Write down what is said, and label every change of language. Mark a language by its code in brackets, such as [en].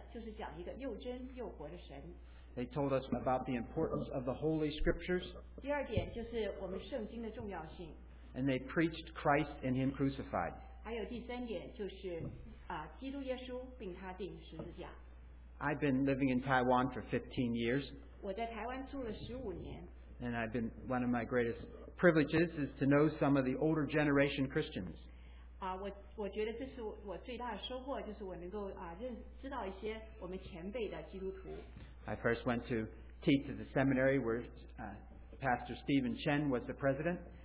[zh] 所以这个古道里面的人，我们所讲的就是讲一个又真又活的神。 [en] They told us about the importance of the Holy Scriptures. [zh] 第二点就是我们圣经的重要性。 [en] And they preached Christ and Him crucified. [zh] 还有第三点就是, [en] I've been living in Taiwan for 15 years. [zh] 我在台湾住了15年, [en] and I've been one of my greatest privileges is to know some of the older generation Christians. [zh] 我觉得这是我最大的收获，就是我能够认识到一些我们前辈的基督徒。 [en] I first went to teach at the seminary where Pastor Stephen Chen was the president.